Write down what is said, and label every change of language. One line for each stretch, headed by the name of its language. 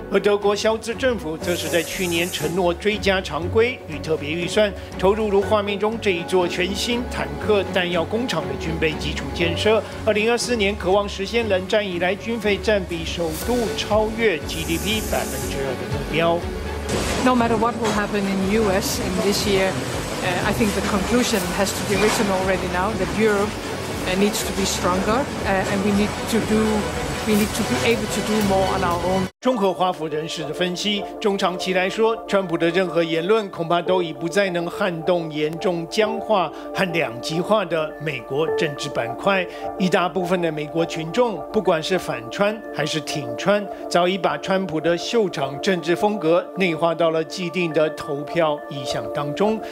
Chinese: 而德国肖兹政府则是在去年承诺追加常规与特别预算，投入如画面中这一座全新坦克弹药工厂的军备基础建设，2024年渴望实现冷战以来军费占比首度超越 GDP 2%的目标。
English: No matter what will happen in the US in this year, I think the conclusion has to be written already now that Europe needs to be stronger, and we need to be able to do more on our own.
Chinese: 综合华府人士的分析，中长期来说，川普的任何言论恐怕都已不再能撼动严重僵化和两极化的美国政治板块。一大部分的美国群众，不管是反川还是挺川，早已把川普的秀场政治风格内化到了既定的投票意向当中。